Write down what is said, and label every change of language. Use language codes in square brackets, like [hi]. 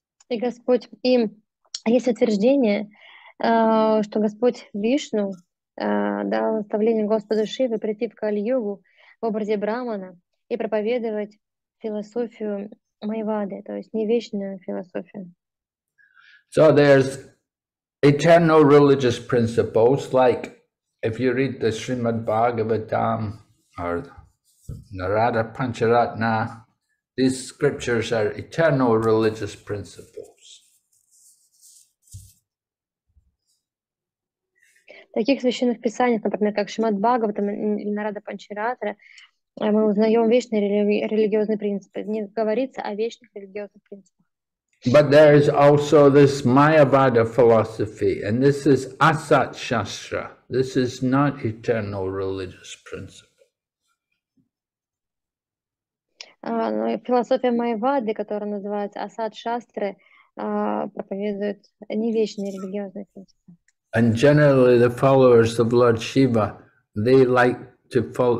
[ru] И Господь, им есть утверждение, что Господь Вишну дал наставление Господу Шиве прийти в Кали-Югу в образе Брахмана и проповедовать философию Майявады, то есть не вечную философию. [en] So there's eternal religious principles, like if you read the Srimad Bhagavatam or Narada Pancharatna, these scriptures are eternal religious principles. [ru] Таких священных писаниях, например, как Шримад Бхагаватам или Нарада Панчаратра, мы узнаем вечные религиозные принципы. Не говорится о вечных религиозных принципах. [en] But there is also this Mayavada philosophy, and this is Asat Shastra. This is not eternal religious principle. [ru] Но философия Майявады, которая называется Асат Шастры, проповедует не вечные религиозные принципы. [en] And generally, the followers of Lord Shiva, they like to follow.